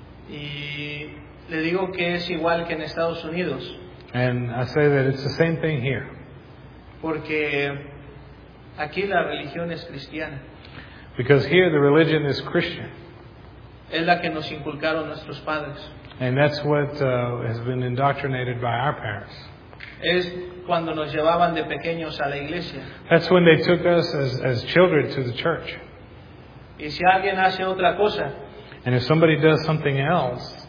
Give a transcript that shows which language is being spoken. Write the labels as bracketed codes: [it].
[es] Y le digo que es igual que en Estados Unidos. [en] And I say that it's the same thing here. [es] Porque aquí la religión es cristiana. [en] Because here the religion is Christian. [es] Es la que nos inculcaron nuestros padres. [en] And that's what has been indoctrinated by our parents. [es] Es cuando nos llevaban de pequeños a la iglesia. [en] That's when they took us as children to the church. [es] Y si alguien hace otra cosa, [en] and if somebody does something else,